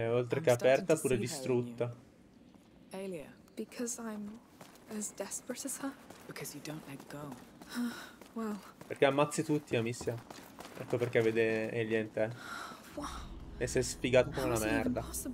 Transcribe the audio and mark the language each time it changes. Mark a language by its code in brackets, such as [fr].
[it] Oltre che aperta, pure distrutta. Aelia. [en] Because I'm as desperate as her. Because you don't let go. Well. [it] Perché ammazzi tutti, Amicia. Ecco perché vede Aelia in te. E sei sfigato come una merda.